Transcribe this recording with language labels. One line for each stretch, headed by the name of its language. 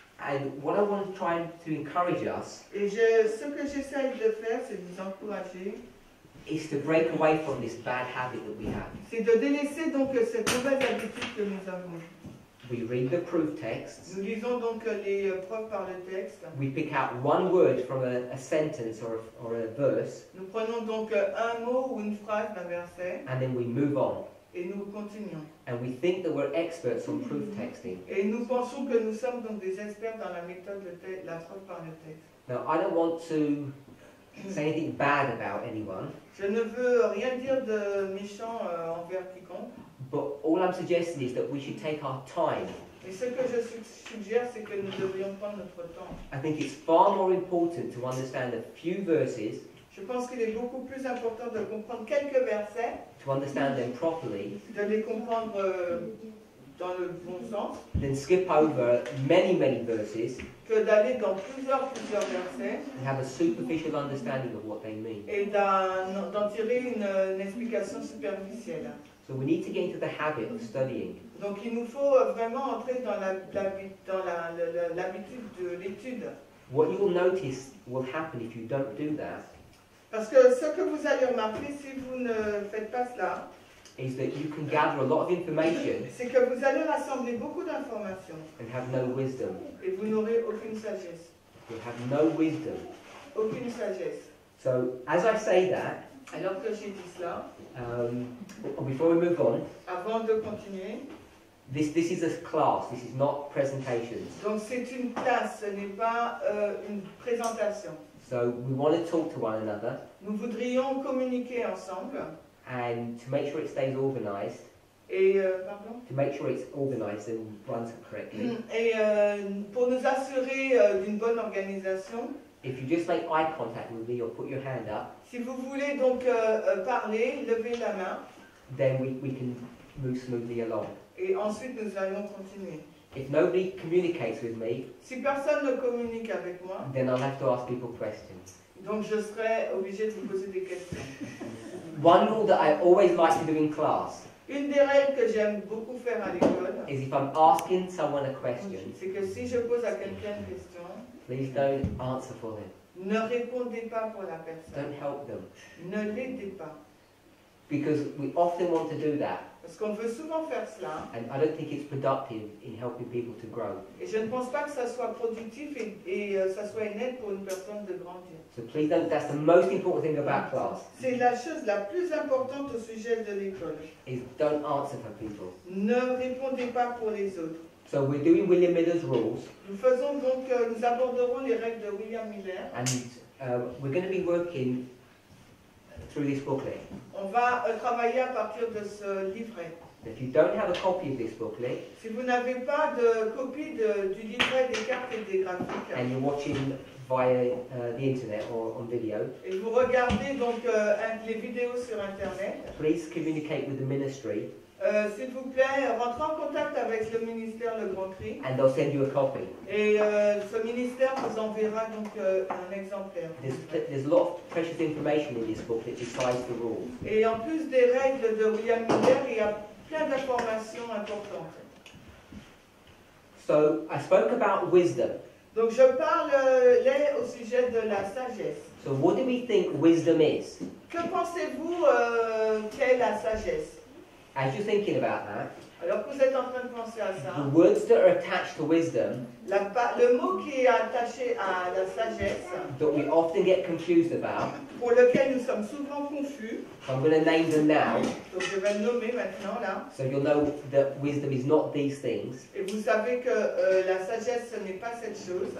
English: And what I want to try to encourage us is to break away from this bad habit that we have.
French: C'est de délaisser donc cette mauvaise habitude que nous avons.
English: We read the proof texts.
French: Nous lisons donc les preuves par le texte.
English: We pick out one word from a sentence or a verse.
French: Nous prenons donc un mot ou une phrase d'un verset.
English: And then we move on.
French: Et nous continuons.
English: And we think that we're experts on proof texting.
French: Et nous pensons que nous sommes donc des experts dans la méthode de la preuve par le texte.
English: Now, I don't want to say anything bad about anyone.
French: Je ne veux rien dire de méchant envers quiconque.
English: But all I'm suggesting is that we should take our time.
French: Et ce que je suggère, c'est que nous devrions prendre notre temps.
English: I think it's far more important to understand a few verses.
French: Je pense qu'il est beaucoup plus important de comprendre quelques versets.
English: To understand them properly.
French: De les comprendre dans le bon sens.
English: Then skip over many, many verses.
French: Que d'aller dans plusieurs versets.
English: And have a superficial understanding of what they mean.
French: Et d'en tirer une explication superficielle.
English: So we need to get into the habit of studying.
French: Donc il nous faut vraiment entrer dans l'habitude de l'étude.
English: What you will notice will happen if you don't do that.
French: Parce que ce que vous allez remarquer si vous ne faites pas cela,
English: is that you can gather a lot of information,
French: c'est que vous allez rassembler beaucoup d'informations,
English: and have no wisdom.
French: Et vous n'aurez aucune sagesse.
English: You have no wisdom.
French: Aucune sagesse.
English: So, as I say that,
French: alors que j'ai dit cela,
English: before we move on,
French: avant de continuer,
English: this is a class, this is not presentations.
French: Donc c'est une classe, ce n'est pas une présentation.
English: So we want to talk to one another.
French: Nous voudrions communiquer ensemble.
English: And to make sure it stays organized. To make sure it's organized and runs correctly.
French: Pour nous assurer d'une bonne organisation.
English: If you just make eye contact with me or put your hand up.
French: Si vous voulez donc parler, lever la main.
English: Then we can move smoothly along.
French: Et ensuite nous allons continuer.
English: If nobody communicates with me,
French: si personne ne communique avec moi,
English: then I'll have to ask people questions.
French: Donc je serai obligé de vous poser des questions.
English: One rule that I always like to do in class,
French: une des règles que j'aime beaucoup faire à l'école,
English: is if I'm asking someone a question,
French: c'est que si je pose à quelqu'un une question,
English: please don't answer for them.
French: Ne répondez pas pour la personne.
English: Don't help them.
French: Ne l'aidez pas.
English: Because we often want to do that.
French: Parce qu'on veut souvent faire cela.
English: And I don't think it's productive in helping people to grow.
French: Et je ne pense pas que ça soit productif et ça soit une aide pour une personne de grandir.
English: So please don't. That's the most important thing about class.
French: C'est la chose la plus importante au sujet de l'école.
English: Is don't answer for people.
French: Ne répondez pas pour les autres.
English: So we're doing William Miller's rules.
French: Nous faisons donc, nous aborderons les règles de William Miller.
English: And we're going to be working through this booklet.
French: On va travailler à partir de ce livret.
English: If you don't have a copy of this booklet,
French: si vous n'avez pas de copie du livret des cartes et des graphiques,
English: and you're watching via the internet or on video,
French: et vous regardez donc les vidéos sur internet,
English: please communicate with the ministry.
French: S'il vous plaît, rentrez en contact avec le ministère Le Grand Cri.
English: And they'll send you a copy.
French: Et ce ministère vous enverra donc un exemplaire.
English: There's a lot of precious information in this book that decides the rules.
French: Et en plus des règles de William Miller, il y a plein d'informations importantes.
English: So, I spoke about wisdom.
French: Donc je parle là au sujet de la sagesse.
English: So, what do we think wisdom is?
French: Que pensez-vous qu'est la sagesse?
English: As you're thinking about that,
French: alors que vous êtes en train de penser à ça,
English: the words that are attached to wisdom,
French: le mot qui est attaché à la sagesse,
English: that we often get confused about,
French: pour lequel nous sommes souvent confus,
English: I'm going to name them now,
French: donc je vais le nommer maintenant là,
English: so you'll know that wisdom is not these things.
French: Et vous savez que la sagesse ce n'est pas cette chose.